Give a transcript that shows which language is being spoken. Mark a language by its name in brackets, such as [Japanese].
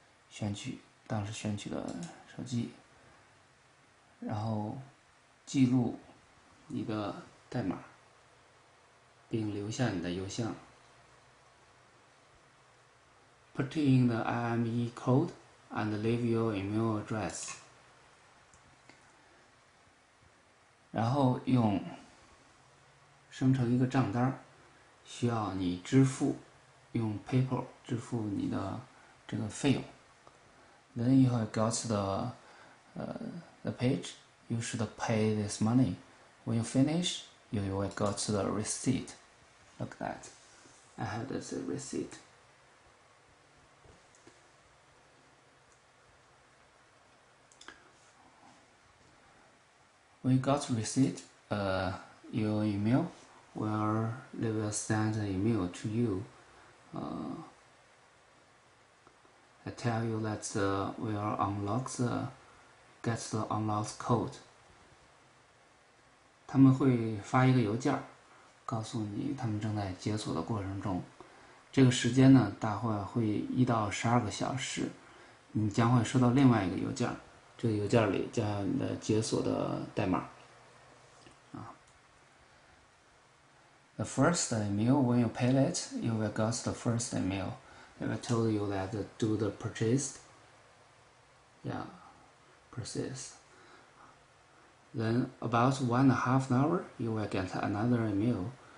[Chinese] 选取当时选取的手机，然后记录你的代码，并留下你的邮箱。 [English] Put in the IME code and leave your email address. [Chinese] 然后用生成一个账单，需要你支付，用 PayPal 支付你的这个费用。 [English] Then you have got the page. You should pay this money. When you finish, you will go to the receipt. Look at that. I have this receipt. When you got receipt, your email will, they will send an email to you. I tell you that we are unlocked, get the unlocked code. [Chinese] 他们会发一个邮件，告诉你他们正在解锁的过程中。这个时间呢，大概会1到12个小时。你将会收到另外一个邮件，这个邮件里将有你的解锁的代码。 [English] The first email, when you pay it, you will get the first email. It will tell you that do the purchase. Yeah, purchase. Then about 1.5 hours, you will get another email.